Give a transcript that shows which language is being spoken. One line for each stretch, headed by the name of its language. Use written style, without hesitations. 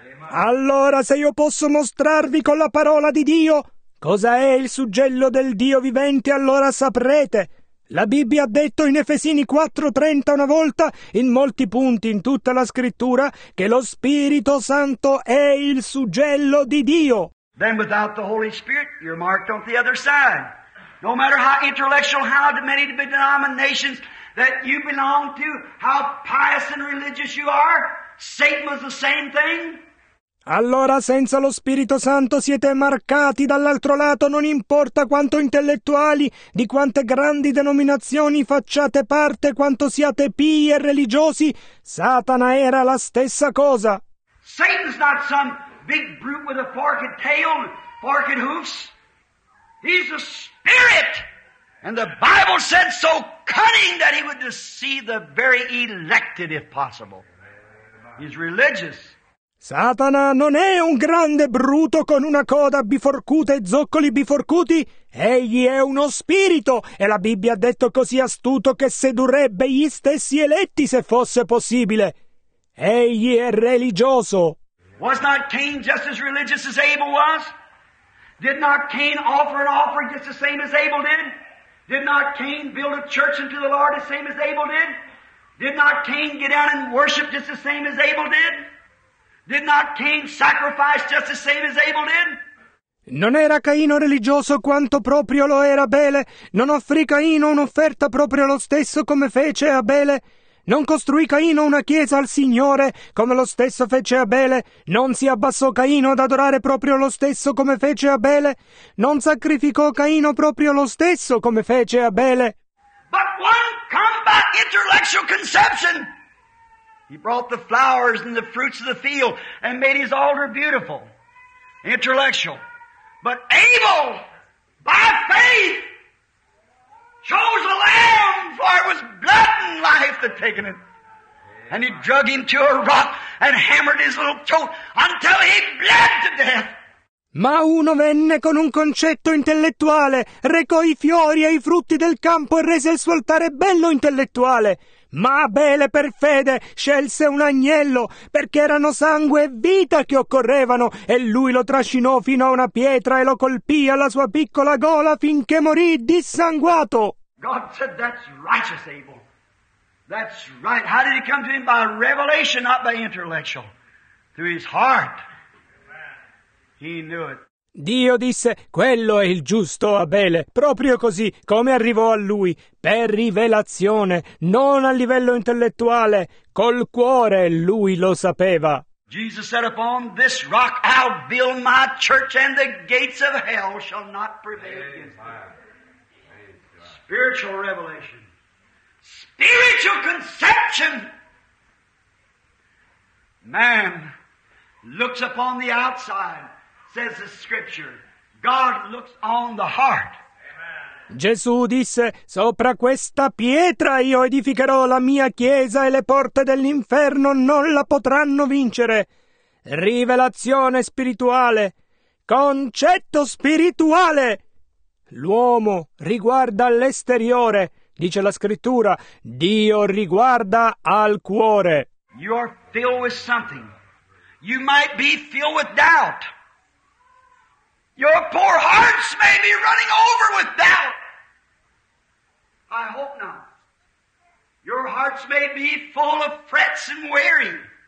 Italian: Allora, se io posso mostrarvi con la parola di Dio cosa è il suggello del Dio vivente, allora saprete. La Bibbia ha detto in Efesini 4:30 una volta, in molti punti in tutta la scrittura, che lo Spirito Santo è il suggello di Dio.
English: Then without the Holy Spirit, you're marked on the other side. No matter how intellectual, how many denominations that you belong to, how pious and religious you are, Satan was the same thing.
Italian: Allora, senza lo Spirito Santo siete marcati dall'altro lato, non importa quanto intellettuali, di quante grandi denominazioni facciate parte, quanto siate pii e religiosi, Satana era la stessa cosa.
English: Satan's not some big brute with a forked tail, forked hoofs. He's a spirit! And the Bible said so cunning that he would deceive the very elected if possible. He's religious.
Italian: Satana non è un grande bruto con una coda biforcuta e zoccoli biforcuti. Egli è uno spirito, e la Bibbia ha detto così astuto che sedurrebbe gli stessi eletti se fosse possibile. Egli è religioso.
English: Was not Cain just as religious as Abel was? Did not Cain offer an offering just the same as Abel did? Did not Cain build a church unto the Lord the same as Abel did? Did not Cain get down and worship just the same as Abel did? Did not Cain sacrifice just the same as Abel did?
Italian: Non era Caino religioso quanto proprio lo era Abele? Non offrì Caino un'offerta proprio lo stesso come fece Abele? Non costruì Caino una chiesa al Signore come lo stesso fece Abele? Non si abbassò Caino ad adorare proprio lo stesso come fece Abele? Non sacrificò Caino proprio lo stesso come fece Abele?
English: But one come by intellectual conception. He brought the flowers and the fruits of the field and made his altar beautiful, intellectual. But Abel, by faith, chose a lamb, for it was blood and life that taken it. And he drug him to a rock and hammered his little throat until he bled to death.
Italian: Ma uno venne con un concetto intellettuale, recò i fiori e i frutti del campo e rese il suo altare bello intellettuale. Ma Abele per fede scelse un agnello, perché erano sangue e vita che occorrevano, e lui lo trascinò fino a una pietra e lo colpì alla sua piccola gola finché morì dissanguato.
English: God said, that's righteous, Abel. That's right. How did he come to him? By revelation, not by intellectual. Through his heart. He knew it.
Italian: Dio disse, quello è il giusto Abele, proprio così, come arrivò a lui, per rivelazione, non a livello intellettuale, col cuore lui lo sapeva.
English: Jesus said, upon this rock I'll build my church and the gates of hell shall not prevail against me. Spiritual revelation. Spiritual conception. Man looks upon the outside. Says the scripture, God looks on the heart.
Italian: Gesù disse, sopra questa pietra io edificherò la mia chiesa e le porte dell'inferno non la potranno vincere. Rivelazione spirituale, concetto spirituale. L'uomo riguarda l'esteriore, dice la scrittura, Dio riguarda al cuore.
English: You are filled with something. You might be filled with doubt. Your poor hearts may be running over with doubt. I hope not. Your hearts may be full of frets and worry.